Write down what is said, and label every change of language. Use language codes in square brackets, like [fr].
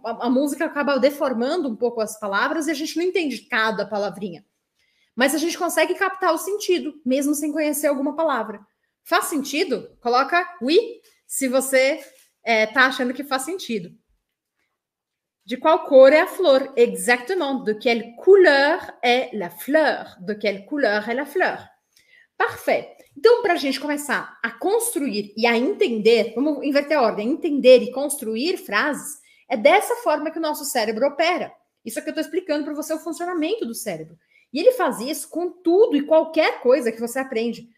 [pt] A música acaba deformando um pouco as palavras e a gente não entende cada palavrinha. Mas a gente consegue captar o sentido, mesmo sem conhecer alguma palavra. Faz sentido? Coloca oui, se você está achando que faz sentido. De qual cor é a flor? [fr] Exactement. De quelle couleur est la fleur? De quelle couleur est la fleur? Parfait. [pt] Então, para a gente começar a construir e a entender, vamos inverter a ordem, entender e construir frases, é dessa forma que o nosso cérebro opera. Isso é que eu estou explicando para você o funcionamento do cérebro. E ele faz isso com tudo e qualquer coisa que você aprende.